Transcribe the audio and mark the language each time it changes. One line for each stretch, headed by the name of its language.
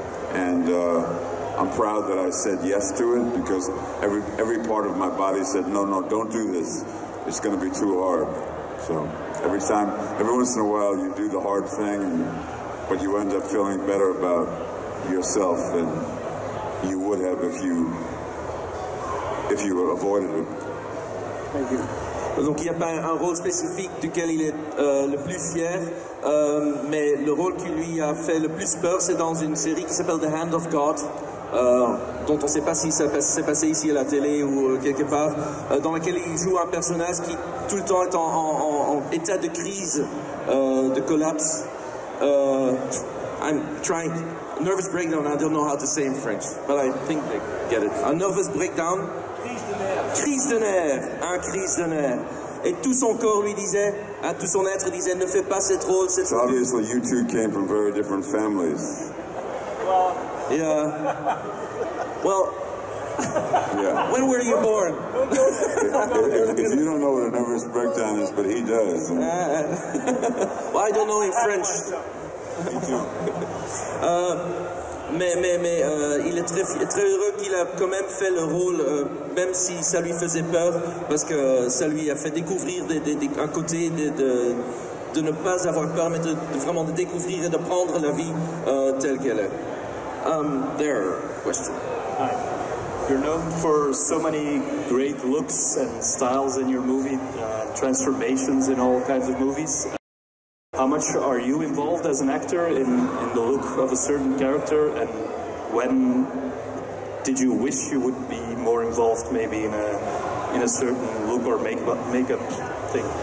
English: And I'm proud that I said yes to it, because every part of my body said, no, don't do this. It's going to be too hard. So every once in a while, you do the hard thing, but you end up feeling better about yourself than you would have if you avoided it. Thank you.
French: Donc, il n'y a pas un rôle spécifique duquel il est le plus fier, mais le rôle qui lui a fait le plus peur, c'est dans une série qui s'appelle The Hand of God, dont on ne sait pas si ça s'est passé ici à la télé ou quelque part, dans laquelle il joue un personnage qui tout le temps est en état de crise, de collapse.
English: I'm trying. Nervous breakdown, I don't know how to say in French, but I think they get it. A nervous breakdown.
French: Crise de nerfs, un crise de nerfs. Et tout son corps lui disait, hein, tout son être disait, ne fais pas cette rôle, cette rôle.
English: Obviously, you two came from very different families. Well. Yeah. Well. Yeah. When were you born? if you don't know what a nervous breakdown is, but he does. Well, I don't know in French. Me too.
French: Mais il est très, très heureux qu'il a quand même fait le rôle, même si ça lui faisait peur, parce que ça lui a fait découvrir un côté de ne pas avoir peur, mais de vraiment de découvrir et de prendre la vie telle qu'elle est.
English: There, question. Hi. You're known for so many great looks and styles in your movie, transformations in all kinds of movies. How much are you involved as an actor in the look of a certain character, and when did you wish you would be more involved maybe in a certain look or makeup thing?